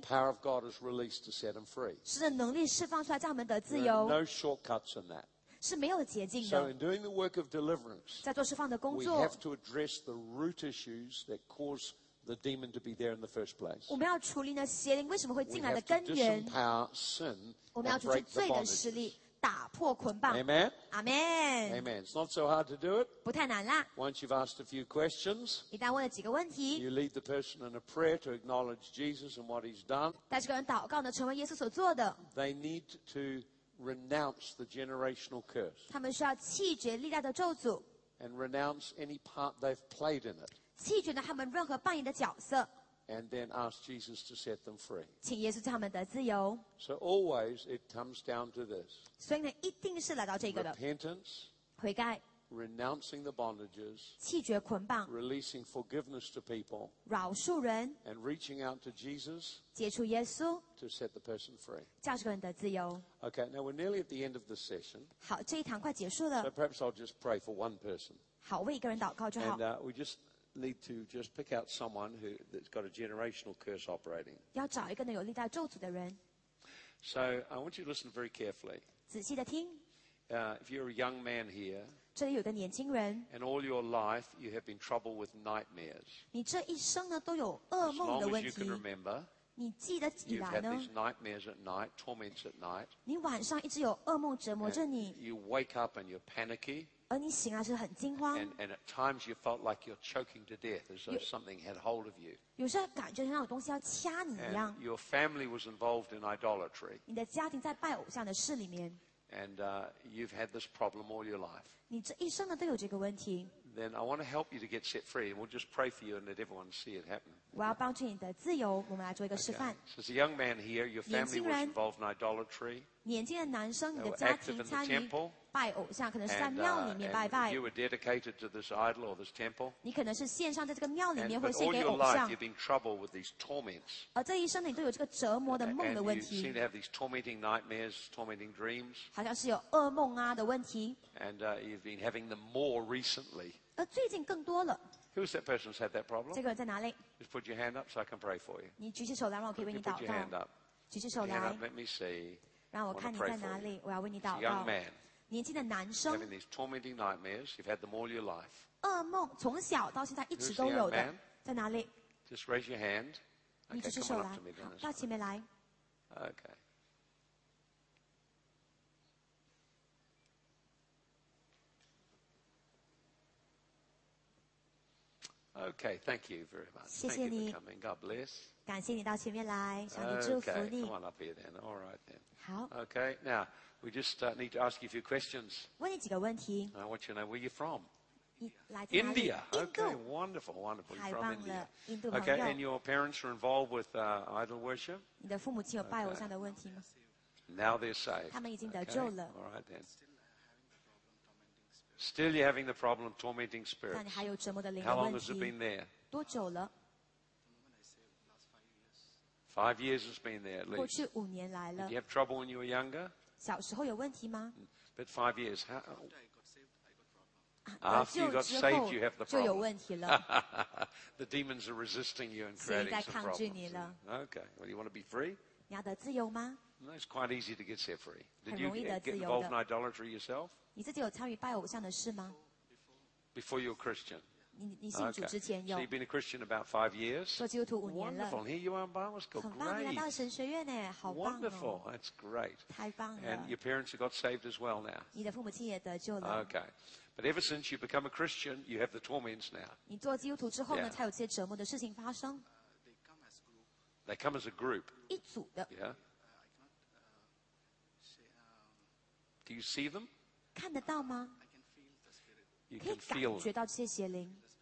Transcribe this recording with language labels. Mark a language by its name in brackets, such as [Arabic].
[English] the power of God is released to set him free. [Chinese] 是的能力释放出来叫他们得自由 [English] There are no shortcuts in that. [Chinese] 是没有捷径的 [English] So in doing the work of deliverance, [Chinese] 在做释放的工作 [English] we have to address the root issues that cause the demon to be there in the first place. [Chinese] 我们要处理呢邪灵为什么会进来的根源 [English] We have to disempower sin and break the bondages. [Chinese] 打破捆绑 [English] Amen. Amen. Amen. It's not so hard to do it. [Chinese] 不太难啦 [English] Once you've asked a few questions, [Chinese] 一旦问了几个问题 [English] you lead the person in a prayer to acknowledge Jesus and what he's done. [Chinese] 带这个人祷告呢成为耶稣所做的 [English] They need to renounce the generational curse. [Chinese] 他们需要弃绝历代的咒诅 [English] And renounce any part they've played in it. [Chinese] 弃绝呢他们任何扮演的角色 [English] And then ask Jesus to set them free. [Chinese] 请耶稣叫他们得自由。 [English] So always it comes down to this. [Chinese] 所以呢，一定是来到这个的。 [English] Repentance. [Chinese] 悔改。 [English] Renouncing the bondages. [Chinese] 弃绝捆绑。 [English] Releasing forgiveness to people. [Chinese] 饶恕人。 [English] And reaching out to Jesus. [Chinese] 接触耶稣。 [English] To set the person free. [Chinese] 叫这个人得自由。 [English] Okay, now we're nearly at the end of the session. [Chinese] 好，这一堂快结束了。 [English] So perhaps I'll just pray for one person. [Chinese] 好，为一个人祷告就好。 [English] And we just. Need to just pick out someone who, that's got a generational curse operating. [Chinese] 要找一个能有历代咒诅的人。 [English] So I want you to listen very carefully. [Chinese] 仔细的听。 [English] If you're a young man here, [Chinese] 这里有个年轻人。 [English] And all your life you have been troubled with nightmares. [Chinese] 你这一生呢都有噩梦的问题。 [English] As long as you can remember, [Chinese] 你记得起来呢 [English] ？You've had these nightmares at night, torments at night. [Chinese] 你晚上一直有噩梦折磨着你。 [English] You wake up and you're panicky. [Chinese] 而你醒来是很惊慌 [English] and at times you felt like you're choking to death as though something had hold of you [Chinese] 有时候感觉像有东西要掐你一样 [English] and your family was involved in idolatry [Chinese] 你的家庭在拜偶像的事里面 [English] and you've had this problem all your life [Chinese] 你这一生呢都有这个问题 [English] then I want to help you to get set free and we'll just pray for you and let everyone see it happen [Chinese] 我要帮助你的自由我们来做一个示范 [English] okay. So as a young man here your family was involved in idolatry [Chinese] 年轻的男生你的家庭参与拜偶像可能是在庙里面拜拜 [English] you were dedicated to this idol or this temple, [Chinese] 你可能是献上在这个庙里面或献给偶像 [English] life, you've been troubled with these torments, [Chinese] 而这一生你都有这个折磨的梦的问题 [English] and you seem to have these tormenting nightmares, tormenting dreams, [Chinese] 好像是有噩梦啊的问题 [English] and you've been having them more recently [Chinese] 而最近更多了 [English] Who's that person who's had that problem? [Chinese] 这个人在哪里 [English] Just put your hand up so I can pray for you [Chinese] 你举起手来让我可以为你祷告 [English] Put your hand up [Chinese] 举起手来 [English] hand up, Let me see [Chinese] 让我看你在哪里我要为你祷告 [English] It's a young man [Chinese] 年轻的男生 [English] having these tormenting nightmares, you've had them all your life. [Chinese] 噩梦从小到现在一直都有的，在哪里 [English] ？Just raise your hand. [Chinese] 你举起手来，到前面来。 [English] Okay. Okay, thank you very much. [Chinese] 谢谢你 [English] for coming. God bless. [Chinese] 感谢你到前面来，上帝祝福你。 [English] Come on up here then. All right then. [Chinese] 好。 [English] Okay, now. We just need to ask you a few questions. [Chinese] 问你几个问题。 [English] I want you to know where you're from. [Chinese] 来自哪里？ [English] India. [Chinese] 印度。 [English] Okay, wonderful, wonderful. You're from India. [Chinese] 印度朋友。 [English] Okay, and your parents are involved with idol worship? [Chinese] 你的父母亲有拜偶像的问题吗？ [English] Now they're saved. [Chinese] 他们已经得救了。 [English] Okay, all right then. Still you're having the problem of tormenting spirits. [Chinese] 但你还有折磨的灵的问题。 [English] How long has it been there? [Chinese] 多久了？ [English] 5 years it's been there at least. [Chinese] 过去五年来了。 [English] Did you have trouble when you were younger? [Chinese] 小时候有问题吗 [English] ？But 5 years how? After I got saved, you got saved, you have the problem. [Chinese] 就有问题了。 [English] The demons are resisting you and creating some problems. [Chinese] 所以在抗拒你了。 [English] Okay, well, you want to be free? [Chinese] 你要得自由吗 [English] ？It's quite easy to get set free. [Chinese] 很容易得自由的。 [English] Did you get involved in idolatry yourself? [Chinese] 你自己有参与拜偶像的事吗 [English] ？Before you're Christian. [Chinese] 你信主之前有。 [English] Okay. So you've been a Christian about 5 years. [Chinese] 做基督徒五年了。 [English] Wonderful. Here you are in Bible school. [Chinese] 很棒，你来到神学院呢，好棒哦。 [English] Wonderful. That's great. [Chinese] 太棒了。 [English] And your parents have got saved as well now. [Chinese] 你的父母亲也得救了。 [English] Okay. But ever since you become a Christian, you have the torments now. [Chinese] 你做基督徒之后呢，才有这些折磨的事情发生。 [English] They come as a group. [Chinese] 一组的。 [English] Yeah. Do you see them? [Chinese] 看得到吗？ [English] You can feel it. [Chinese] 可以感觉到这些邪灵。